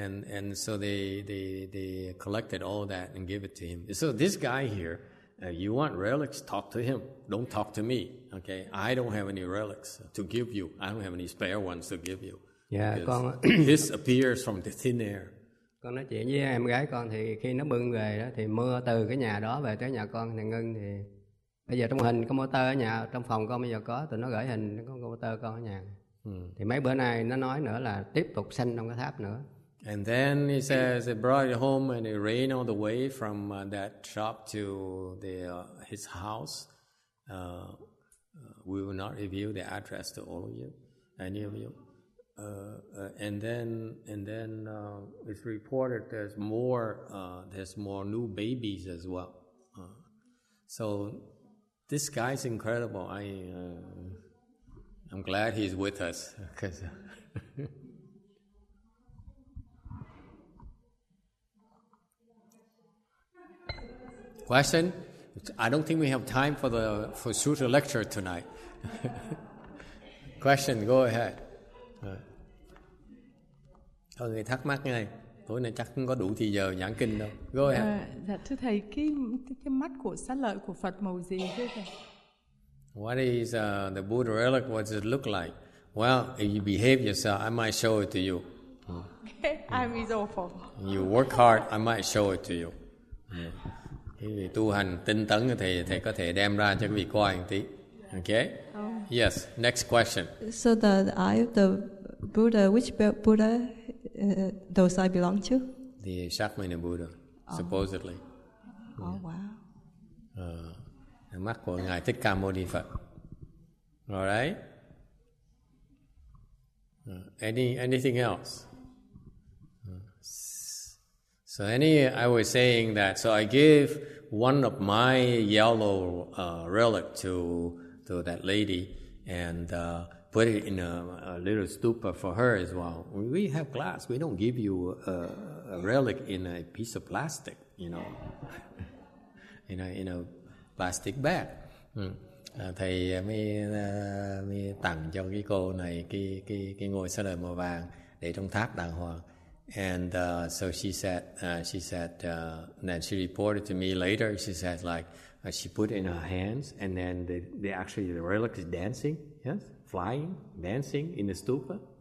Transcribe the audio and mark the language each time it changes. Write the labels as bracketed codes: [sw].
[en] And so they collected all that and gave it to him. So this guy here, If you want relics, talk to him. Don't talk to me. Okay, I don't have any relics to give you. I don't have any spare ones to give you. Yeah, con. This appears from the thin air. [vi] Con nói chuyện với em gái con thì khi nó bưng về đó thì mưa từ cái nhà đó về tới nhà con thì ngưng thì bây giờ trong hình có motor ở nhà trong phòng con bây giờ có tụi nó gửi hình con motor con ở nhà. Thì mấy bữa nay nó nói nữa là tiếp tục sanh trong cái tháp nữa. [en] And then he says he brought it home and it rained all the way from that shop to the his house. We will not reveal the address to all of you, any of you. And then it's reported there's more new babies as well. So this guy's incredible. I'm glad he's with us. Question? I don't think we have time for sutra lecture tonight. Question, go ahead. [vi] Thôi người thắc mắc ngay. Tối nay chắc không có đủ thời giờ giảng kinh đâu. [en] Go ahead. [vi] Dạ thưa thầy, cái mắt của Xá Lợi của Phật màu gì thưa thầy? [en] What is the Buddha relic? What does it look like? Well, if you behave yourself, I might show it to you. I'm his awful. You work hard, I might show it to you. [vi] Vì tu hành tinh tấn thì thầy có thể đem ra cho quý vị coi một tí. [en] Okay? Yes, next question. So the eye of the Buddha, which Buddha does I belong to? The Shakyamuni Buddha, supposedly. Oh, wow. [vi] Mắt của Ngài Thích Ca Mâu Ni Phật. [en] All right? Anything else? So I was saying that, so I gave one of my yellow relic to that lady and put it in a little stupa for her as well. We have glass. We don't give you a relic in a piece of plastic, you know, in a plastic bag. [vi] Thầy mới tặng cho cái cô này cái ngôi Xá Lợi màu vàng để trong tháp đàng hoàng. [en] And so she said, and then she reported to me later, she said, like, she put it in her hands, and then the relic is dancing, yes, flying, dancing in the stupa.